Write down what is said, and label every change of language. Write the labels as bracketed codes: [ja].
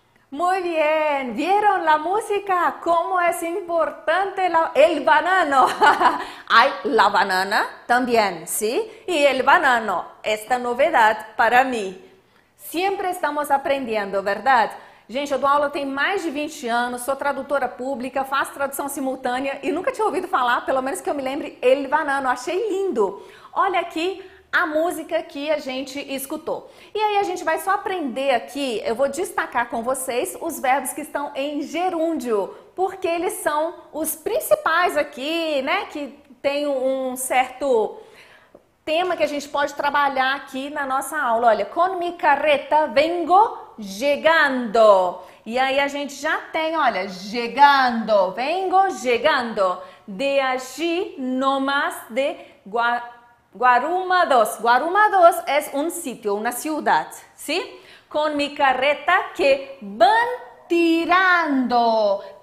[es] Muy bien, ¿vieron la música? ¿Cómo es importante el banano? Hay la banana también, ¿sí? Y el banano, esta novedad para mí. Siempre estamos aprendiendo, ¿verdad? [pt] Gente, eu dou aula tem mais de 20 anos, sou tradutora pública, faço tradução simultânea e nunca tinha ouvido falar, pelo menos que eu me lembre, el banano. Achei lindo. Olha aqui a música que a gente escutou. E aí a gente vai só aprender aqui, eu vou destacar com vocês os verbos que estão em gerúndio, porque eles são os principais aqui, né, que tem um certo tema que a gente pode trabalhar aqui na nossa aula. [es] Olha, con mi carreta vengo llegando. [pt] E aí a gente já tem, olha, [es] llegando, vengo llegando. De allí no más de Guarumados. [pt] Guarumados é um sítio, uma cidade, sim? [es] Con mi carreta que van tirando.